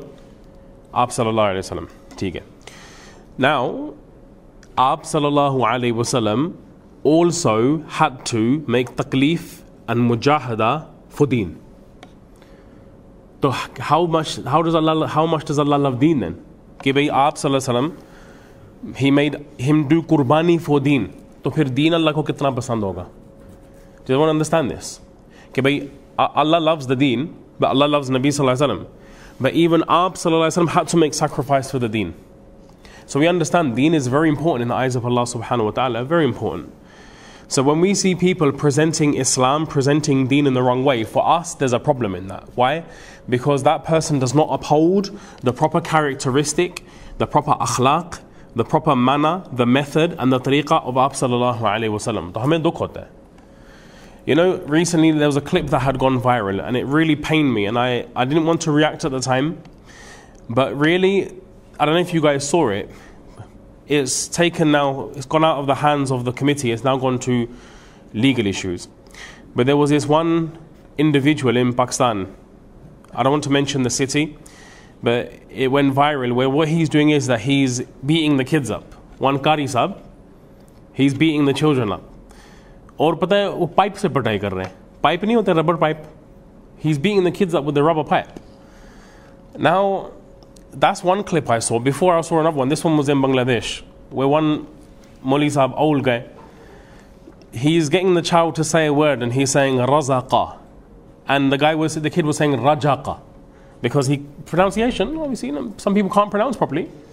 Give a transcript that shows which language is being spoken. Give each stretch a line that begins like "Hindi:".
English: Aap sallallahu alayhi wa sallam. Now, Aap sallallahu alayhi wa sallam also had to make taklif and mujahada for deen. So how much does Allah love deen then? Give Aap sallallahu alayhi wa sallam, he made him do qurbani for deen.
Urdu: سو پھر دین اللہ کو کتنا پسند ہوگا؟
English: Do you want to understand this? Okay, Allah loves the deen, but Allah loves Nabi sallallahu alayhi wa sallam. But even Aap sallallahu alayhi wa sallam had to make sacrifice for the deen. So we understand deen is very important in the eyes of Allah subhanahu wa ta'ala, very important. So when we see people presenting Islam, presenting deen in the wrong way, for us there's a problem in that. Why? Because that person does not uphold the proper characteristic, the proper akhlaq, the proper manner, the method and the tariqah of Aap sallallahu alayhi wa sallam.
Urdu: تو ہمیں دکھ ہوتا ہے۔
English: You know, recently there was a clip that had gone viral and it really pained me, and I didn't want to react at the time, but really, I don't know if you guys saw it, it's taken now, it's gone out of the hands of the committee, it's now gone to legal issues. But there was this one individual in Pakistan, I don't want to mention the city, but it went viral, where what he's doing is that he's beating the kids up. One Qari Saab, he's beating the children up.
Urdu: اور پتا ہے، وہ pipe سے پٹائی کر رہے۔ Pipe نہیں ہوتا، rubber pipe.
English: He's beating the kids up with the rubber pipe. Now, that's one clip I saw. Before I saw another one, this one was in Bangladesh, where one Moli Sahab, old guy, he's getting the child to say a word and he's saying Razaqa. And the kid was saying Rajaqa. Because he, pronunciation, obviously, you know, some people can't pronounce properly.